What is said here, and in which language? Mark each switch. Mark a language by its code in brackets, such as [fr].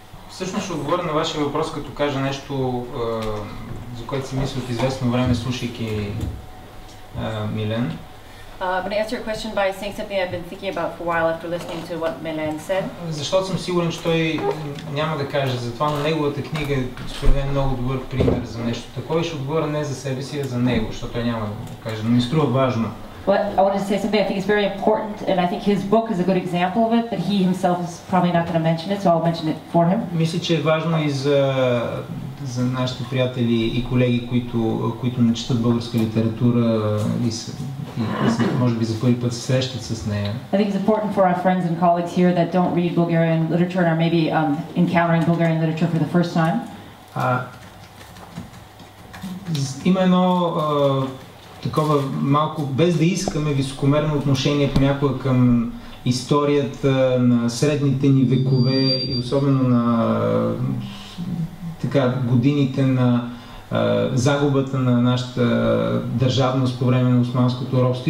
[bg] Всъщност ще отговоря на вашия въпрос, като кажа нещо, за което си мисля от известно време, слушайки Милен. [en] I'm going to answer your question by saying something I've been thinking about for a while after listening to what Milen said. [bg] Защото съм сигурен, че той няма да каже за това, но неговата книга според мен е много добър пример за нещо. Такова ще отговоря не за себе си, а за него, защото той няма да каже, но ми струва важно. [en] But I wanted to say something I think is very important, and I think his book is a good example of it, but he himself is probably not going to mention it, so I'll mention it for him. [bg] Мисля, че е важно и за нашите приятели и колеги, които не четат българска литература и може би за първи път се срещат с нея. [en] I think it's important for our friends and colleagues here that don't read Bulgarian literature and are maybe encountering Bulgarian literature for the first time. [bg] Има едно такова малко, без да искаме, високомерно отношение понякога към историята на средните ни векове и особено на така годините на загубата на нашата държавност по време на османското робство.